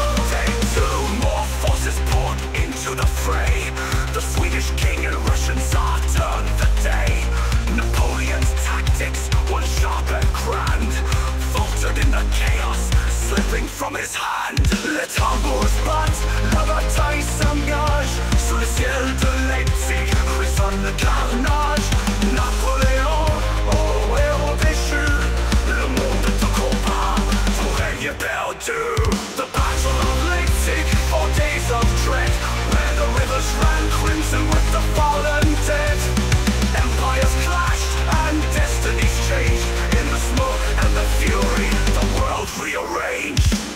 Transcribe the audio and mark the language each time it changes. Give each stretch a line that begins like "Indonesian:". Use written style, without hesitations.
English: Day two, more forces poured into the fray. The Swedish king and Russian Tsar turned the day. Napoleon's tactics, one sharp and grand, faltered in the chaos, slipping from his hand.
French: Les tambours battent, la bataille s'engage. Sous le ciel de Leipzig, résonne le carnage. Napoléon, oh héros déchu. Le monde te combat, ton règne perdu.
English: The Battle of Leipzig, 4 days of dread, where the rivers ran crimson with the fallen dead. Empires clashed and destinies changed. In the smoke and the fury, the world rearranged.